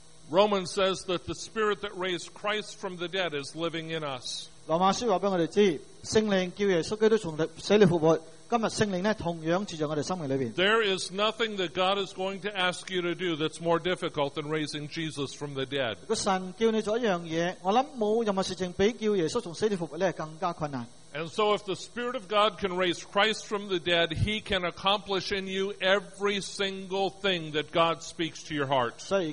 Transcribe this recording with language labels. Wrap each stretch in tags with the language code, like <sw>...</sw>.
<en>Romans says that the Spirit that raised Christ from the dead is living in us.</en> <zh>罗马书告诉我们知, 圣灵叫耶稣基督从死里复活,</zh> <en>there is nothing that God is going to ask you to do that's more difficult than raising Jesus from the dead.</en> <zh>如果神叫你做一样东西,</zh> <en>and so if the Spirit of God can raise Christ from the dead, He can accomplish in you every single thing that God speaks to your heart.</en>